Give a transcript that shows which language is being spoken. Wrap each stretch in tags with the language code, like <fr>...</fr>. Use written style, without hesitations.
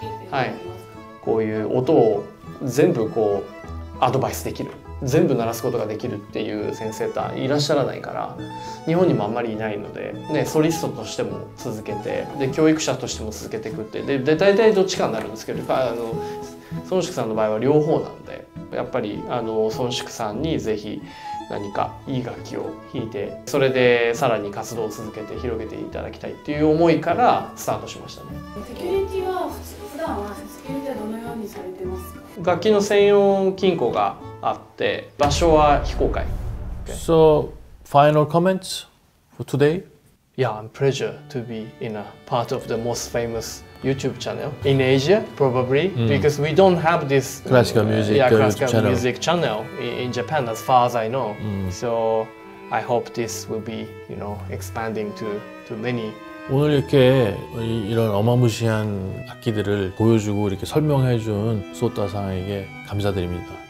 <ja>はい、こういう音を全部こうアドバイスできる、全部鳴らすことができるっていう先生っていらっしゃらないから、日本にもあんまりいないので、ね、ソリストとしても続けて、で教育者としても続けていくって、で大体どっちかになるんですけど、孫淑さんの場合は両方なんで、やっぱり孫淑さんにぜひ何かいい楽器を弾いて、それでさらに活動を続けて広げていただきたいっていう思いからスタートしましたね。セキュリティは普通、普段はセキュリティはどのようにされてますか？楽器の専用金庫があって、場所は非公開。</ja> <en>So final comments for today? Yeah, I'm pleasure to be in a part of the most famousYouTube channel in Asia, probably, because we don't have this classical music, music channel in Japan, as far as I know. So I hope this will be, expanding to many.</en> <ko>오늘 이렇게 이런 어마무시한 악기들을 보여주고 이렇게 설명해 준 소타상에게 감사드립니다.</ko>